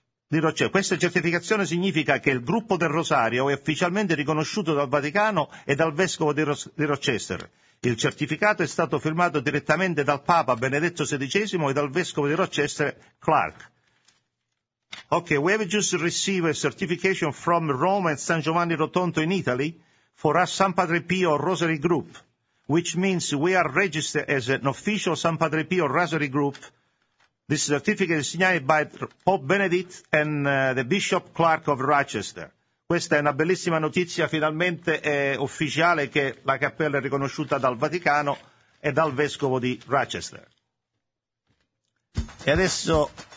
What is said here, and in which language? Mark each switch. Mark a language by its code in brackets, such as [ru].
[it] Di Rochester. Questa certificazione significa che il gruppo del Rosario è ufficialmente riconosciuto dal Vaticano e dal Vescovo di Rochester. Il certificato è stato firmato direttamente dal Papa Benedetto XVI e dal Vescovo di Rochester, Clark. [en] Ok, we have just received a certification from Rome and San Giovanni Rotondo in Italy for our San Padre Pio Rosary Group, which means we are registered as an official San Padre Pio Rosary Group. This certificate is signed by Pope Benedict and the Bishop Clark of Rochester. [it] Questa è una bellissima notizia, finalmente è ufficiale che la cappella è riconosciuta dal Vaticano e dal Vescovo di Rochester. E adesso